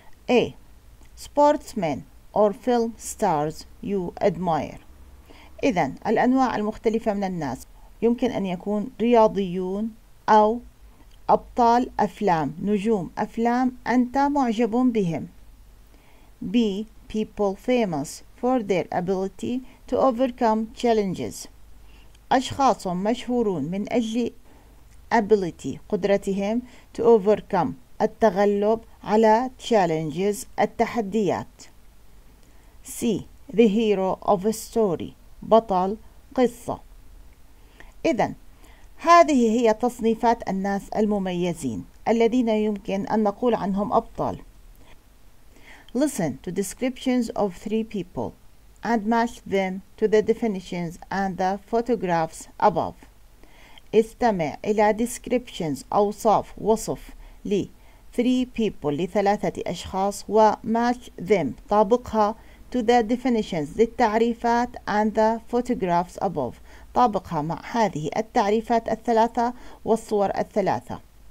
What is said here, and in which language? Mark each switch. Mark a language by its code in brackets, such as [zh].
[en] A. Sportsmen or film stars you admire. [ar] إذن الأنواع المختلفة من الناس يمكن أن يكون رياضيون أو أبطال أفلام، نجوم أفلام أنت معجب بهم. [en] B. People famous for their ability to overcome challenges. [ar] أشخاص مشهورون من أجل ability، قدرتهم [en] to overcome، [ar] التغلب على challenges، التحديات. [en] C. The hero of a story، [ar] بطل قصة. إذن هذه هي تصنيفات الناس المميزين الذين يمكن أن نقول عنهم أبطال. [en] Listen to descriptions of three people and match them to the definitions and the photographs above. [ar] استمع إلى descriptions، أوصاف، وصف ل [en] 3 people، [ar] لثلاثة أشخاص، و [en] match them، [ar] طابقها [en] to the definitions، [ar] للتعريفات [en] and the photographs above، [ar] طابقها مع هذه التعريفات الثلاثة والصور الثلاثة.